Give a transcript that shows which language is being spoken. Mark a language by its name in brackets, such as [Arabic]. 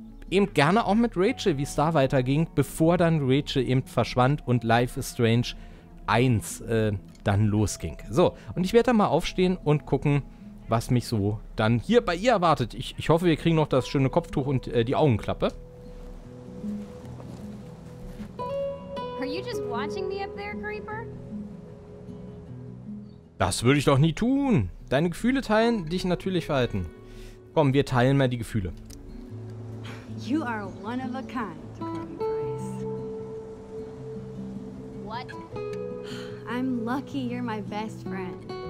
[German] Eben gerne auch mit Rachel, wie es da weiterging, bevor dann Rachel eben verschwand und Life is Strange 1 dann losging. So, und ich werde dann mal aufstehen und gucken, was mich so dann hier bei ihr erwartet. Ich hoffe, wir kriegen noch das schöne Kopftuch und die Augenklappe. [English] Are you just watching me up there, Creeper? [German] Das würde ich doch nie tun. Deine Gefühle teilen, dich natürlich verhalten. Komm, wir teilen mal die Gefühle. [English] You are one of a kind, Chloe Grace. What? I'm lucky you're my best friend.